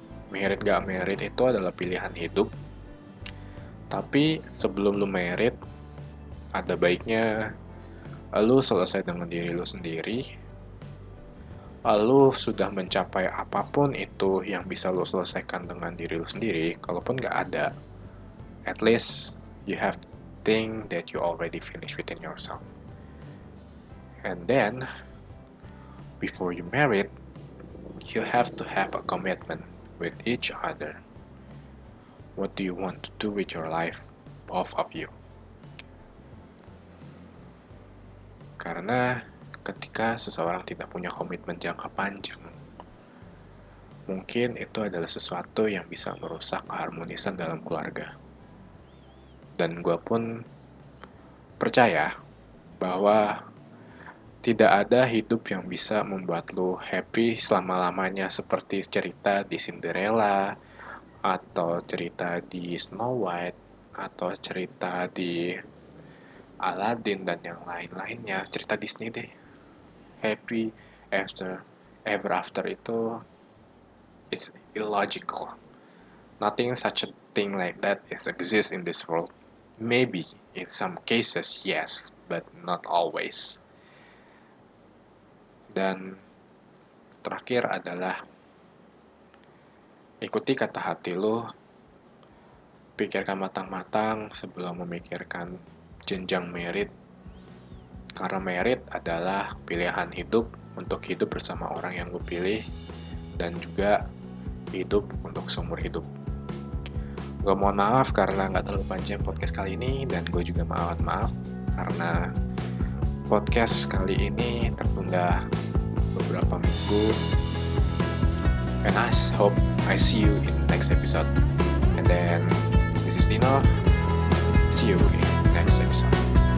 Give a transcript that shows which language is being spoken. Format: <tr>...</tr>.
<id>Merit gak merit itu adalah pilihan hidup. Tapi sebelum lo merit, ada baiknya lo selesai dengan diri lo sendiri. Lo sudah mencapai apapun itu yang bisa lo selesaikan dengan diri lo sendiri. Kalaupun gak ada,</id> <en>at least you have thing that you already finished within yourself. And then, before you married, you have to have a commitment with each other. What do you want to do with your life, both of you?</en> <id>Karena ketika seseorang tidak punya komitmen jangka panjang, mungkin itu adalah sesuatu yang bisa merusak keharmonisan dalam keluarga. Dan gue pun percaya bahwa tidak ada hidup yang bisa membuat lo happy selama-lamanya seperti cerita di Cinderella, atau cerita di Snow White, atau cerita di Aladdin, dan yang lain-lainnya. Cerita Disney deh.</id> <en>Happy after, ever after itu, it's illogical. Nothing such a thing like that exists in this world. Maybe in some cases, yes, but not always.</en> <id>Dan terakhir adalah ikuti kata hati lo, pikirkan matang-matang sebelum memikirkan jenjang merit, karena merit adalah pilihan hidup untuk hidup bersama orang yang lo pilih dan juga hidup untuk seumur hidup. Gue mohon maaf karena gak terlalu panjang podcast kali ini, dan gue juga mohon maaf karena podcast kali ini tertunda beberapa minggu.</id> <en>And I hope I see you in the next episode. And then, this is Dino. See you in the next episode.</en>